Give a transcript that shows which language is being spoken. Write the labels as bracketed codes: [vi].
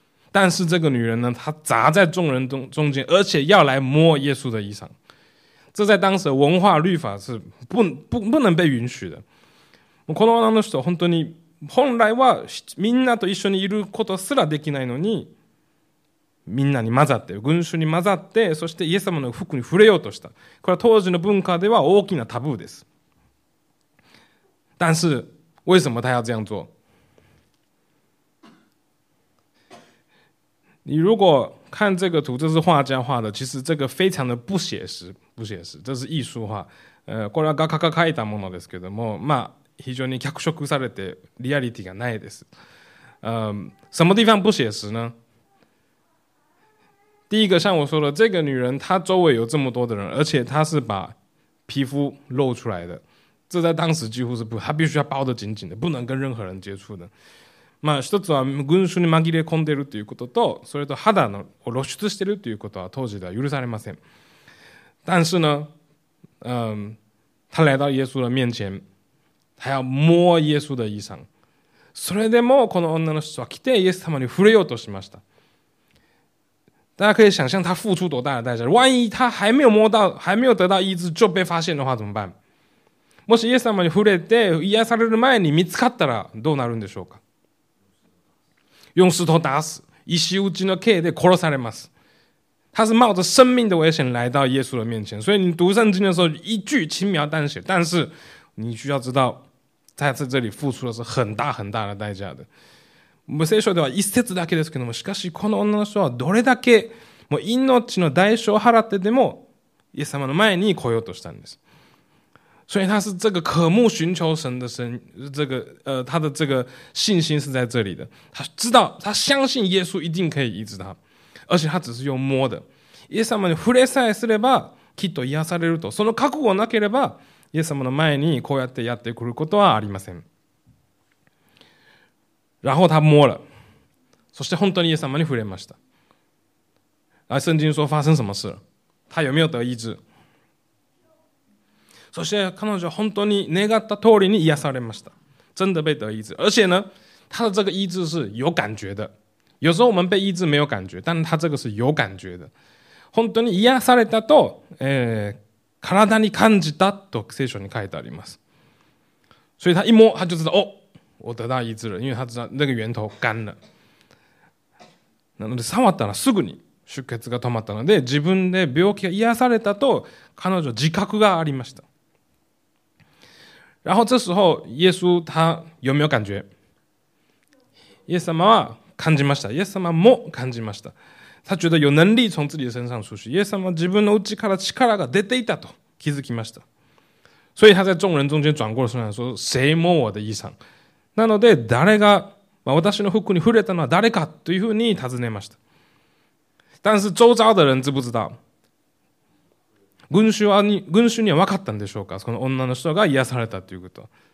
[zh] 但是这个女人呢，她砸在众人中间，而且要来摸耶稣的衣裳，这在当时的文化律法是 不能被允许的。 [ja] この女の人本当に本来はみんなと一緒にいることすらできないのに、みんなに混ざって群衆に混ざって、そしてイエス様の服に触れようとした。これは当時の文化では大きなタブーです。 [zh] 但是为什么她要这样做？你如果看这个图，这是画家画的，其实这个非常的不写实，不写实，这是艺术画。 [ja] これは画家が描いたものですけども、まあ非常に脚色されてリアリティがないです。 [zh] 什么地方不写实呢？第一个，像我说的，这个女人她周围有这么多的人，而且她是把皮肤露出来的，这在当时几乎是不，她必须要包得紧紧的，不能跟任何人接触的。 [ja] まあ、一つは群衆に紛れ込んでいるということと、それと肌を露出しているということは当時では許されません。 [zh] 但是呢、他来到耶稣的面前、他要摸イエス的衣裳。 [ja] それでもこの女の人は来てイエス様に触れようとしました。 [zh] 大家可以想象他付出多大的代价。万一他还没有摸到、还没有得到医治就被发现的话怎么办？ [ja] もしイエス様に触れて癒される前に見つかったらどうなるんでしょうか？ [zh] 用石头打死， [ja] 石打ちの刑で殺されます。 [zh] 他是冒着生命的危险来到耶稣的面前，所以你读圣经的时候一句轻描淡写，但是你需要知道，他在这里付出的是很大很大的代价的。 [ja] もう聖書では一節だけですけども、しかしこの女の人はどれだけもう命の代償を払ってでもイエス様の前に来ようとしたんです。 [zh] 所以他是这个渴慕寻求神的神，这个他的这个信心是在这里的。他知道，他相信耶稣一定可以医治他，而且他只是用摸的。 [ja] イエス様に触れさえすればきっと癒されると、その覚悟がなければイエス様の前にこうやってやってくることはありません。 [zh] 然后他摸了， [ja] そして本当にイエス様に触れました。 [zh] 来圣经说发生什么事？他有没有得医治？ [ja] そして彼女は本当に願った通りに癒されました。 [zh] 真的被得医治。而且呢、他的这个医治是有感觉的。有时候我们被医治没有感觉、但他这个是有感觉的。 [ja] 本当に癒されたと、体に感じたと聖書に書いてあります。 [zh] 所以他一摸、他就知道、我得到医治了。因为他知道那个源头干了。 [ja] なので触ったらすぐに出血が止まったので、自分で病気が癒されたと彼女は自覚がありました。 [zh] 然后这时候耶稣他有没有感觉？ [ja] 耶稣様は感じました。耶稣様も感じました。 [zh] 他觉得有能力从自己身上出去。 [ja] 耶稣様は自分の内から力が出ていたと気づきました。 [zh] 所以他在众人中间转过身来说：“谁摸我的衣裳？” [ja] なので誰が、まあ、私の服に触れたのは誰かというふうに尋ねました。 [zh] 但是周遭的人知不知道？ [ja] 群衆には分かったんでしょうか。その女の人が癒されたということ。